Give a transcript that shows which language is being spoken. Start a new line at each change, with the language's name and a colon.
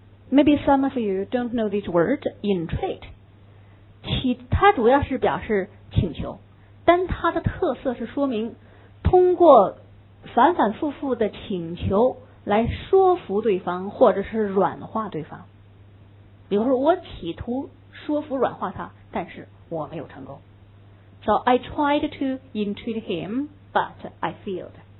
English: Maybe some of you don't know this word, entreat.
Chinese: 它主要是表示请求，但它的特色是说明通过反反复复的请求来说服对方或者是软化对方。比如说我企图说服软化他，但是我没有成功。
English: So I tried to entreat him, but I failed.